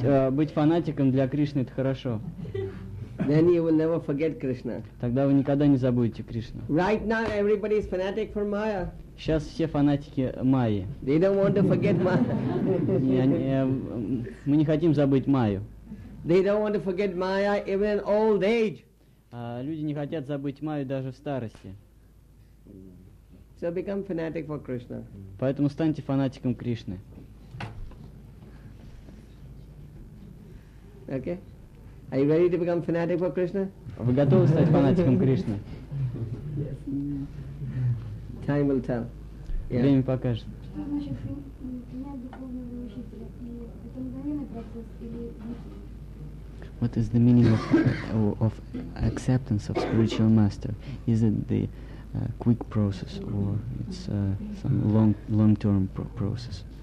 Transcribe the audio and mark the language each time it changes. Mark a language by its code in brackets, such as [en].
[ru] Быть фанатиком для Кришны – это хорошо. [en] then you will never forget Krishna. [ru] Тогда вы никогда не забудете Кришну. [en] Right now everybody is fanatic for Maya. [ru] Сейчас все фанатики Майи. [en] They don't want to forget Maya. [ru] Мы не хотим забыть Майю. [en] They don't want to forget Maya even in old age. [ru] Люди не хотят забыть Майю даже в старости. [en] So become fanatic for Krishna. [ru] Поэтому станьте фанатиком Кришны. [en] Okay. Are you ready to become fanatic for Krishna? [ru] Вы готовы стать фанатиком Кришны? [en] Yes. Time will tell. [ru] Yeah. Время покажет. Что значит менять духовного учителя? Это мгновенный процесс или нет? [en] What is the meaning of acceptance of spiritual master? Is it the quick process or it's some long-term process?